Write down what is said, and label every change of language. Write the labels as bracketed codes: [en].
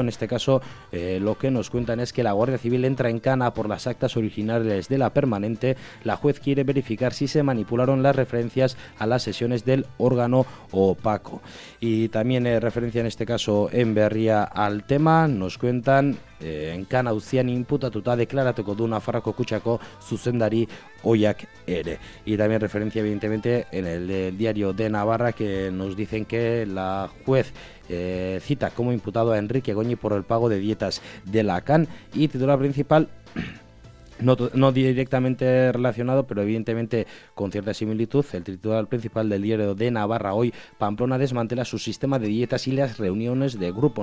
[es] En este caso, lo que nos cuentan es que la Guardia Civil entra en Cana por las actas originales de la permanente. La juez quiere verificar si se manipularon las referencias a las sesiones del órgano opaco. Y también referencia en este caso en Berria al tema. Nos cuentan: [eu] en Cana auzian imputatuta deklaratuko du Nafarroako kutxako zuzendari hoiak ere. [es] Y también referencia evidentemente en el diario de Navarra, que nos dicen que la juez cita como imputado a Enrique Goñi por el pago de dietas de la CAN. Y titular principal, no directamente relacionado, pero evidentemente con cierta similitud, el titular principal del diario de Navarra hoy: Pamplona desmantela su sistema de dietas y las reuniones de grupo.